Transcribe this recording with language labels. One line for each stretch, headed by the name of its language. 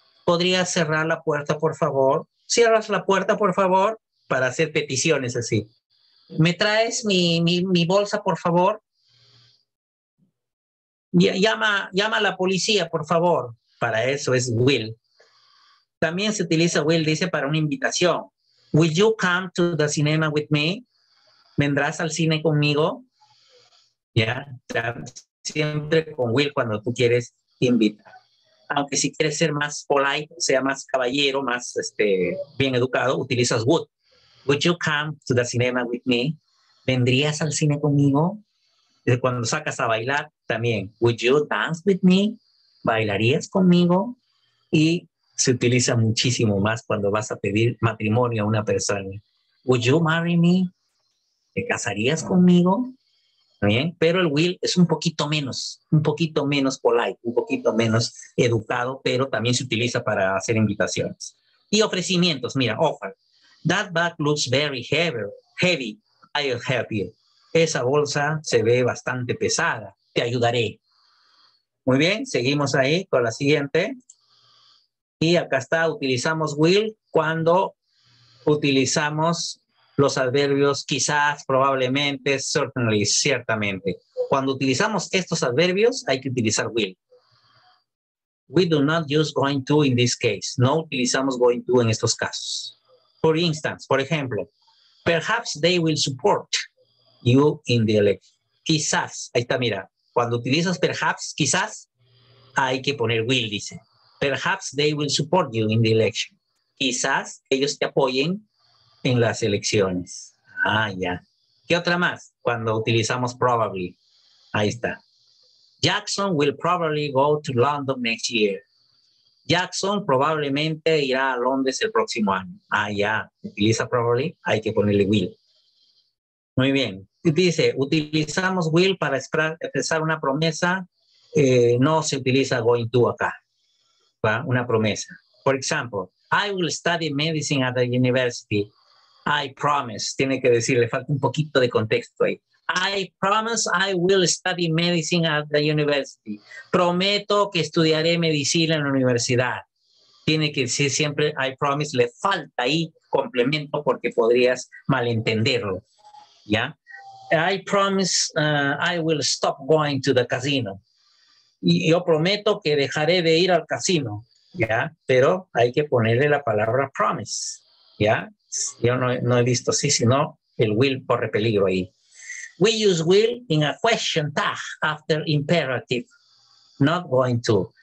Spanish: ¿Podrías cerrar la puerta, por favor? ¿Cierras la puerta, por favor? Para hacer peticiones así. ¿Me traes mi bolsa, por favor? Llama a la policía, por favor. Para eso es will. También se utiliza will, dice, para una invitación.
English: Will you come to the cinema with me?
Spanish: ¿Vendrás al cine conmigo? ¿Ya? Siempre con will cuando tú quieres invitar. aunque si quieres ser más polite, sea más caballero, más bien educado, utilizas would.
English: Would you come to the cinema with me?
Spanish: ¿Vendrías al cine conmigo? Cuando sacas a bailar, también.
English: Would you dance with me?
Spanish: ¿Bailarías conmigo? Y se utiliza muchísimo más cuando vas a pedir matrimonio a una persona.
English: Would you marry me?
Spanish: ¿Te casarías conmigo? Bien, pero el will es un poquito menos polite, un poquito menos educado, pero también se utiliza para hacer invitaciones. Y ofrecimientos, mira, offer.
English: That bag looks very heavy, I'll help you.
Spanish: Esa bolsa se ve bastante pesada, te ayudaré. Muy bien, seguimos ahí con la siguiente. Y acá está, utilizamos will cuando utilizamos los adverbios quizás, probablemente, certainly, ciertamente. Cuando utilizamos estos adverbios, hay que utilizar will.
English: We do not use going to in this case.
Spanish: No utilizamos going to en estos casos.
English: For instance,
Spanish: por ejemplo,
English: perhaps they will support you in the election.
Spanish: Quizás, ahí está, mira. Cuando utilizas perhaps, quizás, hay que poner will, dice.
English: Perhaps they will support you in the election.
Spanish: Quizás ellos te apoyen en las elecciones. Ah, ya. ¿Qué otra más? Cuando utilizamos probably. Ahí está.
English: Jackson will probably go to London next year.
Spanish: Jackson probablemente irá a Londres el próximo año. Ah, ya. Utiliza probably. Hay que ponerle will. Muy bien. Dice, utilizamos will para expresar una promesa. No se utiliza going to acá. ¿Va? Una promesa. Por ejemplo,
English: I will study medicine at the university. I promise,
Spanish: tiene que decir, le falta un poquito de contexto ahí.
English: I promise I will study medicine at the university.
Spanish: Prometo que estudiaré medicina en la universidad. Tiene que decir siempre,
English: I promise,
Spanish: le falta ahí complemento porque podrías malentenderlo. ¿Ya?
English: I promise I will stop going to the casino.
Spanish: Y yo prometo que dejaré de ir al casino. ¿Ya? Pero hay que ponerle la palabra promise. ¿Ya? Yo no he visto así, sino el will corre peligro ahí.
English: We use will in a question tag after imperative, not going to.